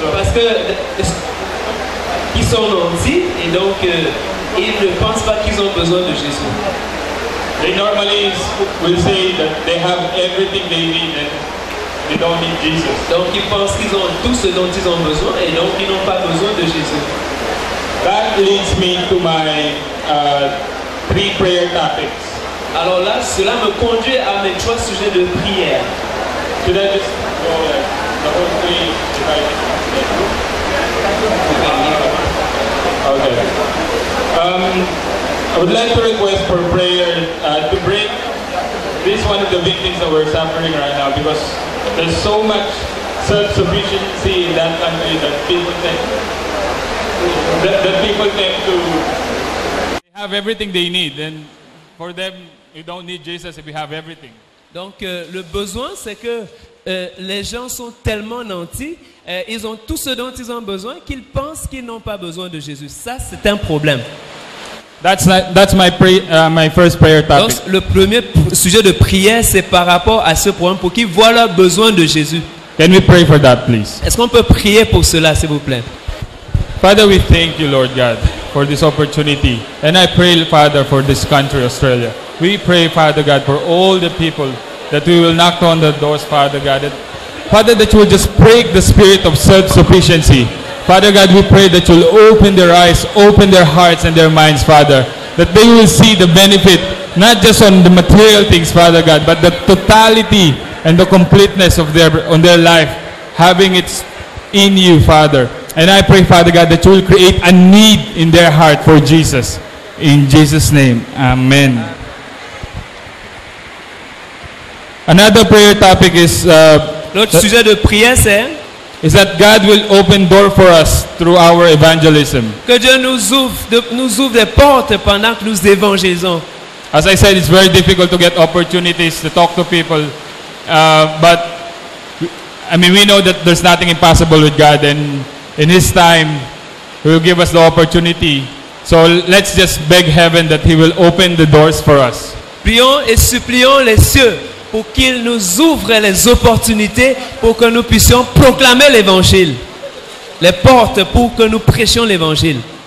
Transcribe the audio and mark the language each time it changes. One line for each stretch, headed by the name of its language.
English: So.
French: Parce que ils sont nantis et donc ils ne pensent pas qu'ils ont besoin de Jésus.
English: They normally will say that they have everything they need and they don't need Jesus.
French: Donc ils pensent qu'ils ont tout ce dont ils ont besoin et donc ils n'ont pas besoin de Jésus.
English: That leads me to my 3 prayer topics.
French: Alors là, cela me conduit à mes 3 sujets de prière.
English: Could I just go the whole 3 Okay. I would like to request for prayer to bring this one of the victims that we're suffering right now because there's so much self-sufficiency in that country that people tend to have everything they need, and for them you don't need Jesus if you have everything.
French: Donc le besoin c'est que les gens sont tellement nantis, ils ont tout ce dont ils ont besoin qu'ils pensent qu'ils n'ont pas besoin de Jésus. Ça c'est un problème.
English: That's my first prayer topic.
French: Donc, le premier sujet de prière, c'est par rapport à ce problème pour qu'ils voient leur besoin de Jésus.
English: Can we pray for that, please?
French: Est-ce qu'on peut prier pour cela, s'il vous plaît?
English: Father, we thank you, Lord God, for this opportunity. And I pray, Father, for this country, Australia. We pray, Father God, for all the people that we will knock on the doors, Father God. And Father, that you will just break the spirit of self-sufficiency. Father God, we pray that you'll open their eyes, open their hearts and their minds, Father, that they will see the benefit, not just on the material things, Father God, but the totality and the completeness of their life, having it in you, Father. And I pray, Father God, that you will create a need in their heart for Jesus. In Jesus' name, Amen. Another prayer topic is...
French: L'autre sujet de prière, c'est...
English: Is that God will open door for us through our evangelism.
French: Que Dieu nous ouvre des portes pendant que nous évangélisons.
English: As I said, it's very difficult to get opportunities to talk to people. But we know that there's nothing impossible with God. And in His time, He will give us the opportunity. So let's just beg heaven that He will open the doors for us.
French: Prions et supplions les cieux pour qu'il nous ouvre les opportunités pour que nous puissions proclamer l'évangile. Les portes pour que nous prêchions l'évangile.